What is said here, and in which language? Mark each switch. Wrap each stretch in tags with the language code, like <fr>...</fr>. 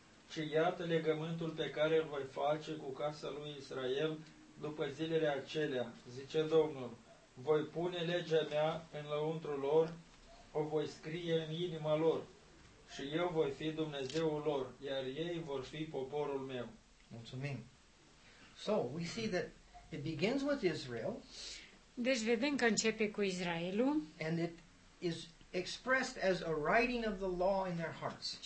<ro>Și iată legământul pe care îl voi face cu casa lui Israel după zilele acelea, zice Domnul. Voi pune legea mea în lăuntru lor, o voi scrie în inima lor și eu voi fi Dumnezeul lor, iar ei vor fi poporul meu. Mulțumim.</ro> <en>So, we see that it begins with Israel.</en> <ro>Deci vedem că începe cu Israelul.</ro> <en>And it is expressed as a writing of the law in their hearts.</en>